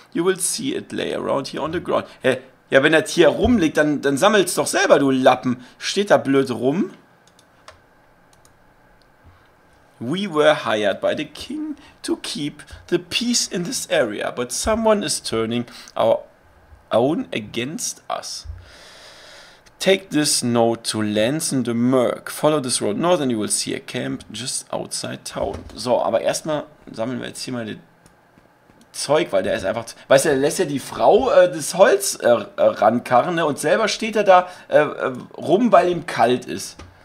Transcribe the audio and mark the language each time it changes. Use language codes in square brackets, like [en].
[en] You will see it lay around here on the ground. Hey. [de] Ja, wenn das hier rumliegt, dann sammelst doch selber, du Lappen. Steht da blöd rum? [en] We were hired by the king to keep the peace in this area, but someone is turning our own against us. Take this note to Lanson de Merc. Follow this road north and you will see a camp just outside town. [de] So, aber erstmal sammeln wir jetzt hier mal den Zeug, weil der ist einfach... Weißt du, der lässt ja die Frau das Holz rankarren, ne? Und selber steht er da rum, weil ihm kalt ist.